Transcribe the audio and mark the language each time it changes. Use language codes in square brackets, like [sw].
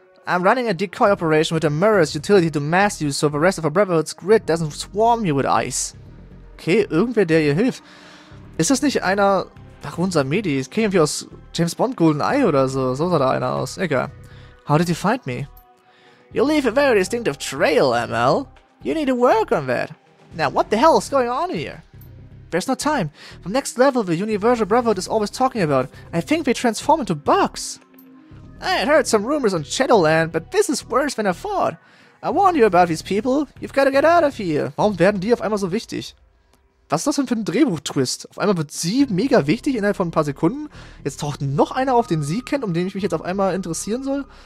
[en] I'm running a decoy operation with a murderous utility to mass you so the rest of the Brotherhood's grid doesn't swarm you with ice. [de] Okay, irgendwer, der ihr hilft. Ist das nicht einer... Ach, unser Medi, es käme irgendwie aus James Bond GoldenEye oder so. So sah da einer aus. Egal. [en] How did you find me? You leave a very distinctive trail, ML. You need to work on that. Now, what the hell is going on here? There's no time. The next level the Universal Brotherhood is always talking about. I think they transform into bugs. I had heard some rumors on Shadowland, but this is worse than I thought. I warned you about these people. You've got to get out of here. [de] Warum werden die auf einmal so wichtig? Was ist das denn für ein Drehbuch-Twist? Auf einmal wird sie mega wichtig innerhalb von ein paar Sekunden. Jetzt taucht noch einer auf, den sie kennt, um den ich mich jetzt auf einmal interessieren soll.